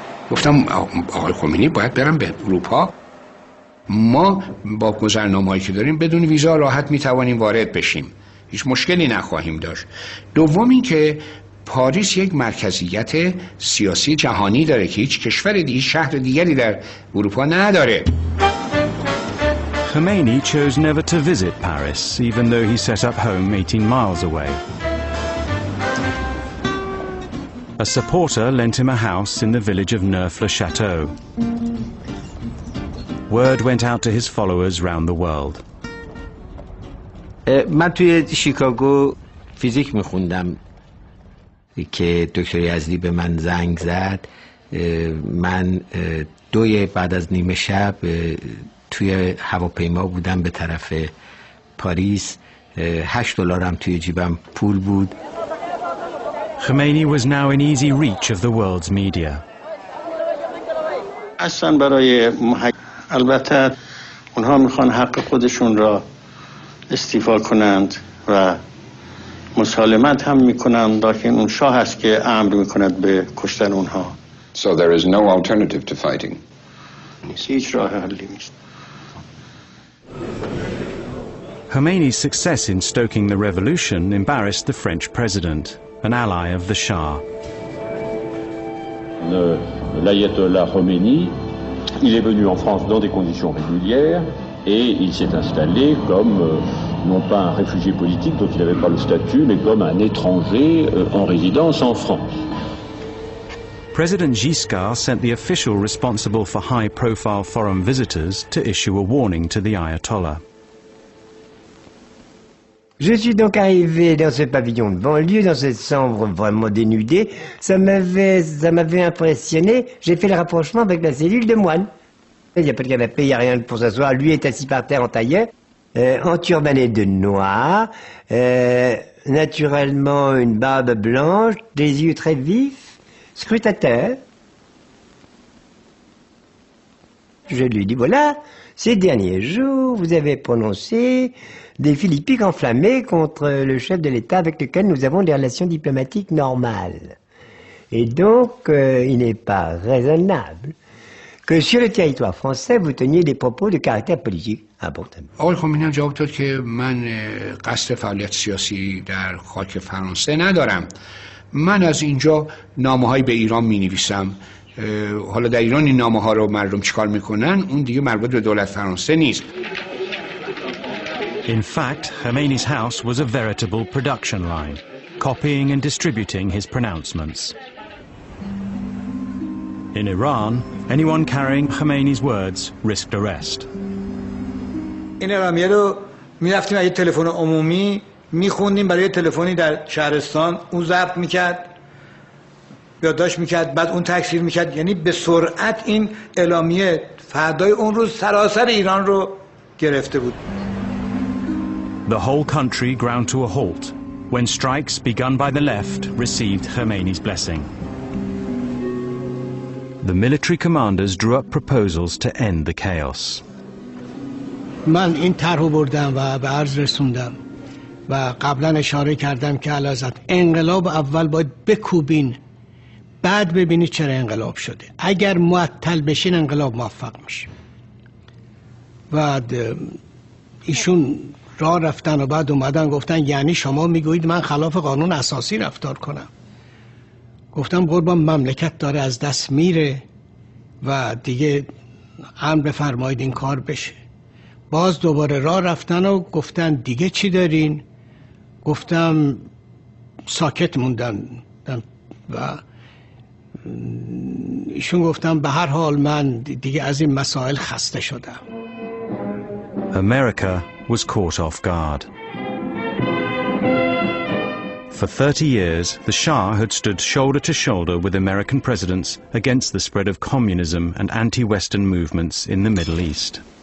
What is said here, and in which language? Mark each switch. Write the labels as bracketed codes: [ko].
[fa] گفتم آقای خمینی باید برم به اروپا. ما با گذرنامه‌ای که داریم بدون ویزا راحت میتوانیم وارد بشیم، هیچ مشکلی نخواهیم داشت. دوم اینکه پاریس یک مرکزیت سیاسی جهانی داره که هیچ کشور دیگه، شهر دیگری در اروپا نداره. [en] Khomeini chose never to visit Paris, even though he set up home 18 miles away. A supporter lent him a house in the village of Neuf-le-Château. Word went out to his followers round the world. [fa] من توی شیکاگو فیزیک میخوندم که دکتر یزدی به من زنگ زد. من دوی بعد از نیمه شب توی هواپیما بودم به طرف پاریس. $8 توی جیبم پول بود. [en] Khomeini was now in easy reach of the world's media. [fa] اصلا برای البته اونها میخوان حق خودشون را استیفا کنند و مسالمت هم میکنند، لیکن اون شاه هست که امر میکند به کشتن اونها. [en] So there is no alternative to fighting. [fa] هیچ راه حلی نیست. [en] Khomeini's success in stoking the revolution embarrassed the French president, an ally of the Shah. [fr] L'ayatollah Khomeini, il est venu en France dans des conditions régulières et il s'est installé comme non pas un réfugié politique dont il n'avait pas le statut, mais comme un étranger en résidence en France. [en] President Giscard sent the official responsible for high-profile foreign visitors to issue a warning to the Ayatollah. [fr] Je suis donc arrivé dans ce pavillon de banlieue, dans cette chambre vraiment dénudée. Ça m'avait impressionné. J'ai fait le rapprochement avec la cellule de moine. Il n'y a pas de canapé, il n'y a rien pour s'asseoir. Lui est assis par terre en tailleur, en turbané de noir, naturellement une barbe blanche, des yeux très vifs. Scrutateur, je lui dis, voilà, ces derniers jours, vous avez prononcé des philippiques enflammées contre le chef de l'État avec lequel nous avons des relations diplomatiques normales. Et donc, il n'est pas raisonnable que sur le territoire français, vous teniez des propos de caractère politique important. Aul Khomeini a répondu que je n'ai pas de politique dans le français. [fa] من از اینجا نامه های به ایران می نویسم. حالا در ایران این نامه ها رو مردم چیکار می کنن؟ اون دیگه مربوط به دولت فرانسه نیست. [en] In fact, Khomeini's house was a veritable production line, copying and distributing his pronouncements. In Iran, anyone carrying Khomeini's words risked arrest. [fa] این اعلامیه رو می رفتیم یه تلفن عمومی میخوندیم، برای تلفنی در شهرستان اون ضبط میکرد، یادداشت میکرد، بعد اون تکثیر میکرد. یعنی به سرعت این اعلامیه فردای اون روز سراسر ایران رو گرفته بود. [en] The whole country ground to a halt when strikes begun by the left received Khomeini's blessing. The military commanders drew up proposals to end the chaos. [fa] من این طرح بردم و به عرض رسوندم و قبلا اشاره کردم که علازت انقلاب اول باید بکوبین، بعد ببینید چرا انقلاب شده. اگر معطل بشین انقلاب موفق میشه. و ایشون راه رفتن و بعد اومدن گفتن یعنی شما میگویید من خلاف قانون اساسی رفتار کنم؟ گفتم قربان، مملکت داره از دست میره و دیگه امر بفرمایید این کار بشه. باز دوباره راه رفتن و گفتن دیگه چی دارین؟ گفتم ساکت موندن و ایشون گفتم به هر حال من دیگه از این مسائل خسته شدم. [en] America was caught off guard. For 30 years the Shah had stood shoulder to shoulder with American presidents against the spread of communism and anti-Western movements in the Middle East.